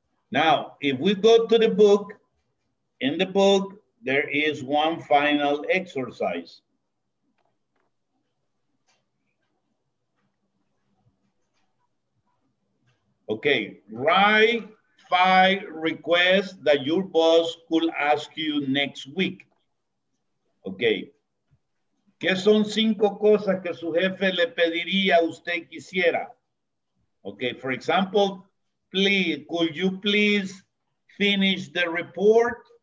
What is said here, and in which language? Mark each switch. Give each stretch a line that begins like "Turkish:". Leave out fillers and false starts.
English: Now, if we go to the book, in the book, there is one final exercise. Okay, write 5 requests that your boss could ask you next week. Okay.
Spanish: ¿Qué son 5 cosas que su jefe le pediría usted quisiera?
English: Okay, for example, please, could you please finish the report?